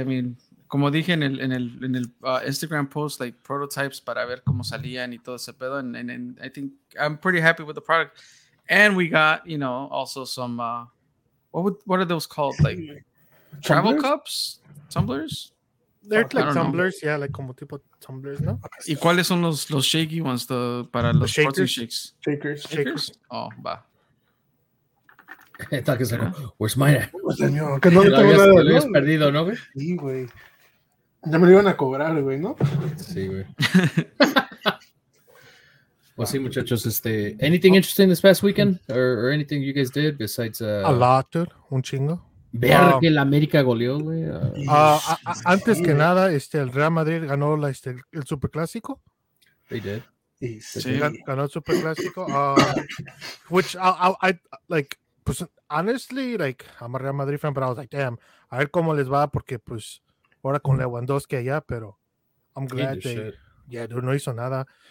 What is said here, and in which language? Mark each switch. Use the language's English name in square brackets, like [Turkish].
[English] I mean, [Spanish] como dije en el Instagram post, [English] like prototypes [Spanish] para ver cómo salían y todo ese pedo. [English] And I think I'm pretty happy with the product. And we got, you know, also some, what are those called? Like travel cups? Tumblers? They're like tumblers, yeah, like [Spanish] como tipo tumblers, ¿no? ¿Y cuáles son los [English] shaky ones [Spanish] para los [English] protein shakes? Shakers. [Spanish] Oh, va. Entonces, [English] like, where's mine? [Spanish] Que no lo habías perdido, ¿no, güey? Sí, güey. Ya me lo iban a cobrar, güey, ¿no? Sí, güey. [English] Well, [Spanish] sí, muchachos, este, [English] anything interesting this past weekend or anything you guys did besides a lot, dude, [Spanish] un chingo. Ver que la América goleó, güey. Antes que nada, este, el Real Madrid ganó el Superclásico. [English] They did. [Spanish] Ganó Super Clásico. [English] Which I like, pues, honestly, like, I'm a Real Madrid fan, but I was like, damn, [Spanish] a ver cómo les va, porque pues ahora con Lewandowski allá, pero [English] I'm glad they, yeah, dude, [Spanish] no hizo nada.